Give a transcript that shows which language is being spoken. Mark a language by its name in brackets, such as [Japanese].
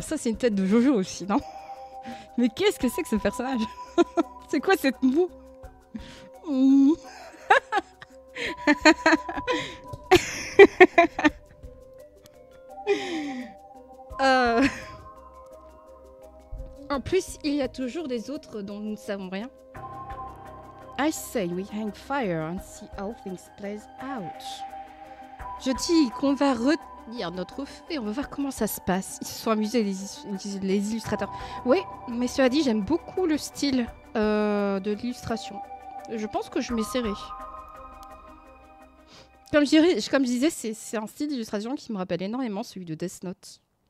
[French] Ça, c'est une tête de Jojo aussi, non? Mais qu'est-ce que c'est que ce personnage? C'est quoi cette moue? En plus, il y a toujours des autres dont nous ne savons rien. [English] I say we hang fire and see how things play out. [French] Je dis qu'on va retenir notre feu et on va voir comment ça se passe. Ils se sont amusés, les illustrateurs. Oui, mais cela dit, j'aime beaucoup le style de l'illustration. Je pense que je m'essaierai. Comme je disais, c'est un style d'illustration qui me rappelle énormément celui de Death Note.